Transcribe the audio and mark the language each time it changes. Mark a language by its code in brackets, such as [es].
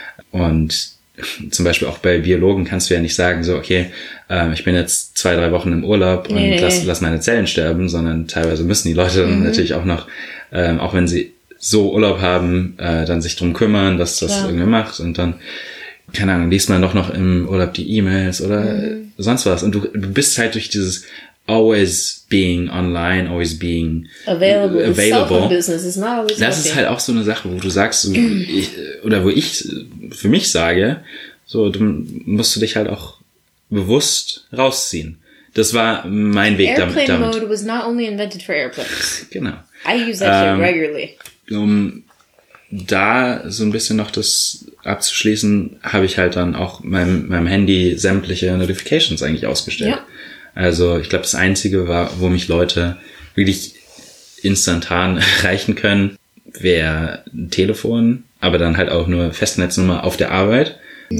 [de] und zum Beispiel auch bei Biologen kannst du ja nicht sagen, so, okay, ich bin jetzt 2-3 Wochen im Urlaub und lass meine Zellen sterben, sondern teilweise müssen die Leute dann natürlich auch noch, auch wenn sie so Urlaub haben, dann sich drum kümmern, dass das irgendwie macht, und dann, keine Ahnung, liest man doch noch im Urlaub die E-Mails oder sonst was, und du bist halt durch dieses [en] always being online, always being available. Business is not always, [de] das ist halt auch so eine Sache, wo du sagst, wo ich für mich sage, so, du musst du dich halt auch bewusst rausziehen. Das war mein Weg [en] airplane [de] damit. [en] Airplane mode was not only invented for airplanes. [de] Genau. [en] I use that shit regularly. [de] Um da so ein bisschen noch das abzuschließen, habe ich halt dann auch meinem Handy sämtliche Notifications eigentlich ausgestellt. Yep. Also ich glaube, das Einzige, war, wo mich Leute wirklich instantan erreichen können, wäre ein Telefon, aber dann halt auch nur Festnetznummer auf der Arbeit. Ja.